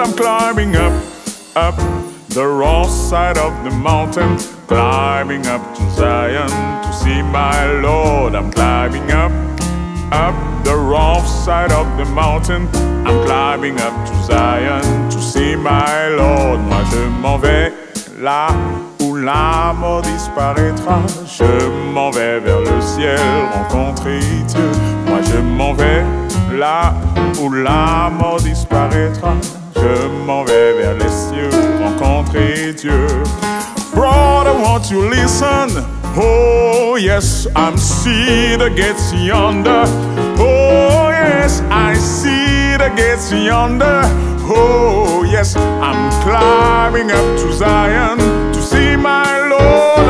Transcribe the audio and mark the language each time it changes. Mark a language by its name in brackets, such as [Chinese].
[English] I'm climbing up, up the rough side of the mountain. Climbing up to Zion to see my Lord. I'm climbing up, up the rough side of the mountain. I'm climbing up to Zion to see my Lord. [French] Moi je m'en vais là où la mort disparaîtra. Je m'en vais vers le ciel rencontrer Dieu. Moi je m'en vais là où la mort disparaîtra. Je m'en vais vers les cieux rencontrer Dieu. [English] Brother, won't you listen? Oh yes, I'm see the gates yonder. Oh yes, I see the gates yonder. Oh yes, I'm climbing up to Zion to see my Lord.